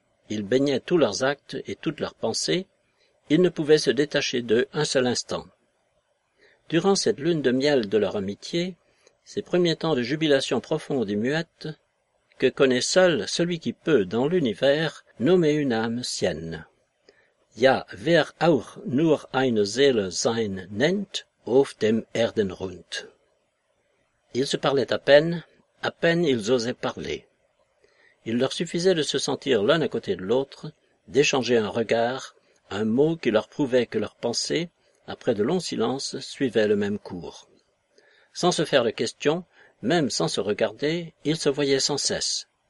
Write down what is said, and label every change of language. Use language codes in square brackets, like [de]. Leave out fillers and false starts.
[fr] Ils baignaient tous leurs actes et toutes leurs pensées, ils ne pouvaient se détacher d'eux un seul instant. Durant cette lune de miel de leur amitié, ces premiers temps de jubilation profonde et muette, que connaît seul celui qui peut, dans l'univers, nommer une âme sienne. [de] Ja, wer auch nur eine Seele sein nennt, auf dem Erdenrund. [fr] Ils se parlaient à peine ils osaient parler. Il leur suffisait de se sentir l'un à côté de l'autre, d'échanger un regard, un mot qui leur prouvait que leurs pensées, après de longs silences, suivaient le même cours. Sans se faire de questions, même sans se regarder, ils se voyaient sans cesse.